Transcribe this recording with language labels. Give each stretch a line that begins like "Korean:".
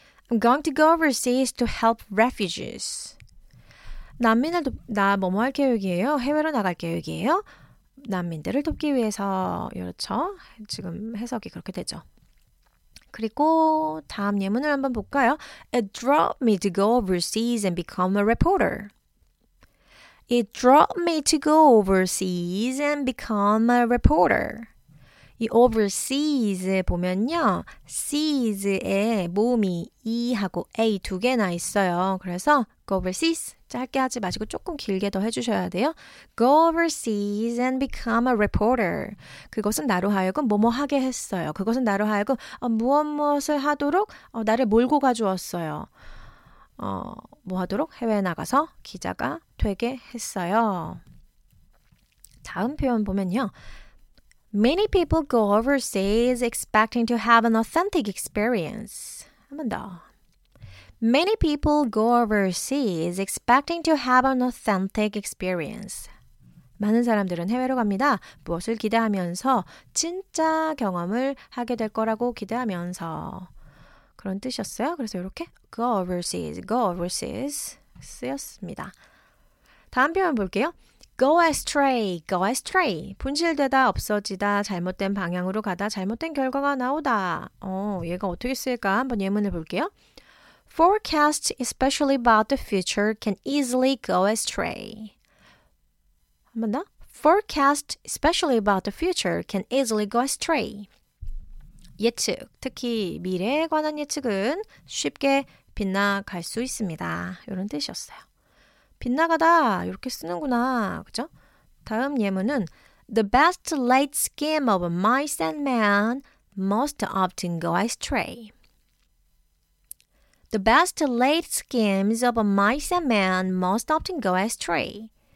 English: I'm going to go overseas to help refugees.
Korean: 난민을 나 뭐뭐 할 계획이에요? 해외로 나갈 계획이에요? 난민들을 돕기 위해서 그렇죠? 지금 해석이 그렇게 되죠. 그리고 다음 예문을 한번 볼까요?
English: It dropped me to go overseas and become a reporter. It dropped me to go overseas and become a reporter.
Korean: 이 overseas 보면요. seas의 모음이 e하고 a 두 개나 있어요. 그래서 go overseas 짧게 하지 마시고 조금 길게 더 해주셔야 돼요.
English: Go overseas and become a reporter.
Korean: 그것은 나로 하여금 뭐뭐 하게 했어요. 그것은 나로 하여금 무엇무엇을 하도록 나를 몰고 가주었어요. 뭐 하도록 해외에 나가서 기자가 되게 했어요. 다음 표현 보면요.
English: Many people go overseas expecting to have an authentic experience.
Korean: 한 번 더.
English: Many people go overseas expecting to have an authentic experience.
Korean: 많은 사람들은 해외로 갑니다. 무엇을 기대하면서 진짜 경험을 하게 될 거라고 기대하면서 그런 뜻이었어요. 그래서 이렇게 go overseas 쓰였습니다. 다음 표현 볼게요.
English: Go astray, go astray.
Korean: 분실되다, 없어지다, 잘못된 방향으로 가다, 잘못된 결과가 나오다. 얘가 어떻게 쓰일까? 한번 예문을 볼게요.
English: Forecasts, especially about the future, can easily go astray.
Korean: 한번 더.
English: Forecasts, especially about the future, can easily go astray.
Korean: 예측, 특히 미래에 관한 예측은 쉽게 빗나갈 수 있습니다. 이런 뜻이었어요. 빗나가다 이렇게 쓰는구나, 그죠? 다음 예문은
English: The best laid scheme of mice and men most often go astray. The best laid schemes of mice and men most often go astray.